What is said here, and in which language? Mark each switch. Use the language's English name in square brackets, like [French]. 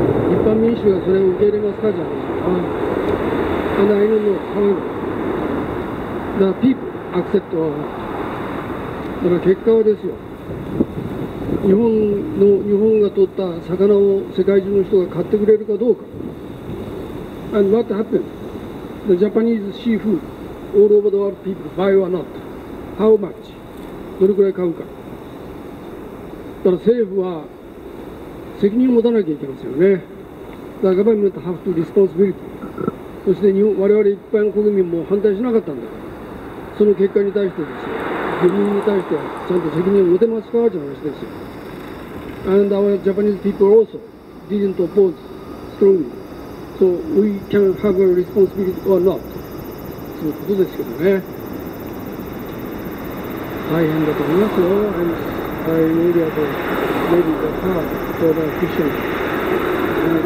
[Japanese] 一般民主がそれを受け入れますかじゃないですか。 [English] And I don't know how the people accept or not。 [Japanese] だから結果はですよ、日本が取った魚を世界中の人が買ってくれるかどうか。 [English] And what happened? The Japanese seafood all over the world people buy or not? How much? [Japanese] どれくらい買うか。だから政府は責任を持たなきゃいけませんよね。 [English] The government has to responsibility。 [Japanese] そして日本、我々一般国民も反対しなかったんだから、その結果に対してですよ、国民に対してはちゃんと責任を持てますかという話ですよ。 [English] And our Japanese people also didn't oppose strongly。 So we can have a responsibility or not。 [Japanese] そういうことですけどね、大変だと思いますよ。 [English] And I really have a very hard for the fishermen。